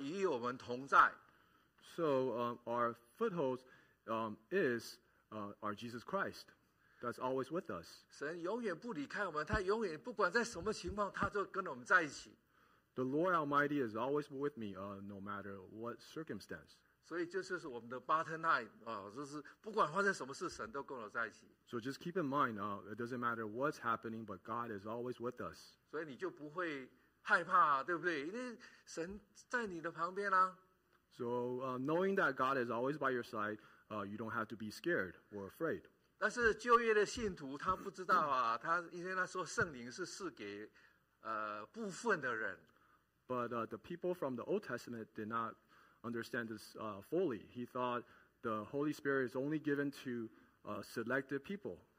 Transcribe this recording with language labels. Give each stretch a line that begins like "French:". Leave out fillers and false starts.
Chinese: 所以说在这里诗篇46篇就告诉我们的立足点是万军之耶和华与我们同在。
English: So our footholds is our Jesus Christ. That's always with us.
Chinese: 神永远不离开我们，他永远不管在什么情况，他就跟我们在一起。
English: The Lord Almighty is always with me, no matter what circumstance.
Chinese: 所以这就是我们的
English: bottom line
Chinese: 就是不管发生什么事，神都跟我在一起。
English: So just keep in mind, it doesn't matter what's happening, but God is always with us.
Chinese: 所以你就不会害怕，对不对？因为神在你的旁边啊。
English: So knowing that God is always by your side, you don't have to be scared or afraid.
Chinese: 但是旧约的信徒他不知道啊，他因为那时候圣灵是赐给部分的人。
English: But the people from the Old Testament did not understand this fully. He thought the Holy Spirit is only given to selected people.